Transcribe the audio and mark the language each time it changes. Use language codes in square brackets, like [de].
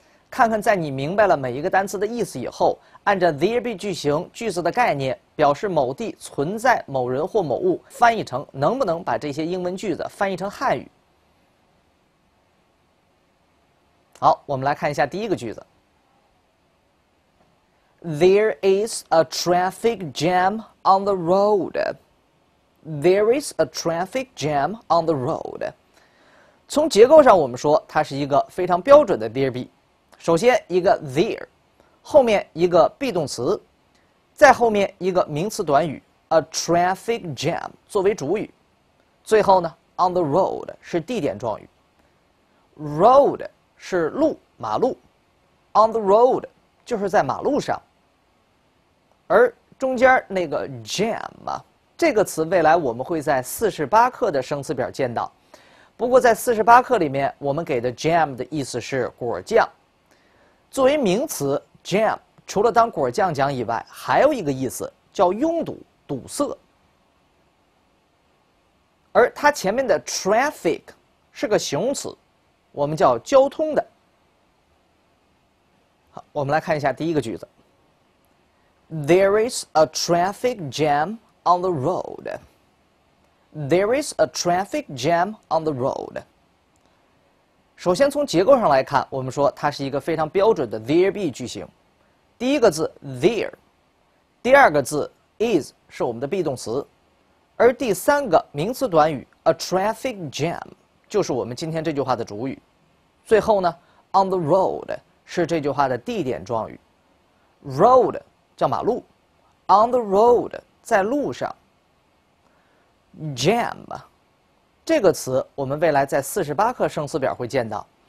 [zh] 看看在你明白了每一个单词的意思以后，按照 there be 句型句子的概念，表示某地存在某人或某物，翻译成能不能把这些英文句子翻译成汉语。好，我们来看一下第一个句子。 [en] There is a traffic jam on the road. There is a traffic jam on the road. [zh] 从结构上我们说，它是一个非常标准的 there be。首先一个 there， 后面一个 be 动词，再后面一个名词短语 [en] a traffic jam [zh] 作为主语，最后呢 [en] on the road [zh] 是地点状语。 road 是路，马路， [en] on the road [zh] 就是在马路上。而中间那个 jam 啊，这个词未来我们会在48课的生词表见到，不过在48课里面我们给的 jam 的意思是果酱。作为名词 jam 除了当果酱讲以外，还有一个意思叫拥堵、堵塞。而它前面的 traffic 是个形容词，我们叫交通的。好，我们来看一下第一个句子。 [en] There is a traffic jam on the road. There is a traffic jam on the road. [zh] 首先从结构上来看，我们说它是一个非常标准的 there be 句型。第一个字 there， 第二个字 is 是我们的 be 动词，而第三个名词短语 [en] a traffic jam [zh] 就是我们今天这句话的主语。最后呢 ， [en] on the road [zh] 是这句话的地点状语 ，road 叫马路 ，on the road 在路上 ，jam 这个词我们未来在48课生词表会见到。